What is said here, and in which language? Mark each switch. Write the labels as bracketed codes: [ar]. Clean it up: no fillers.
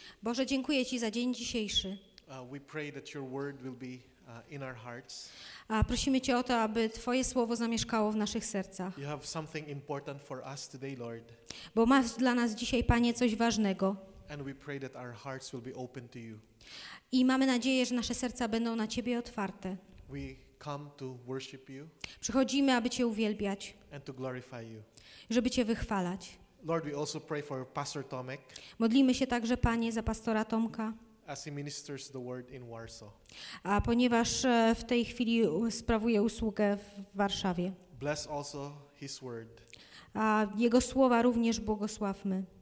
[pl] Boże, dziękuję Ci za dzień dzisiejszy. [en] We pray that your word will be in our hearts. [pl] A prosimy Cię o to, aby Twoje słowo zamieszkało w naszych sercach. [en] You have something important for us today, Lord. [pl] Bo masz dla nas dzisiaj, Panie, coś ważnego. [en] And we pray that our hearts will be open to you. [pl] I mamy nadzieję, że nasze serca będą na Ciebie otwarte. [en] We come to worship you. [pl] Przychodzimy, aby Cię uwielbiać. [en] And to glorify you. [pl] Żeby Cię wychwalać. [en] Lord, we also pray for Pastor Tomek. [pl] Modlimy się także, Panie, za pastora Tomka. [en] As he ministers the word in Warsaw. [pl] A ponieważ w tej chwili sprawuje usługę w Warszawie. [en] Bless also his word. [pl] A jego słowa również błogosławmy.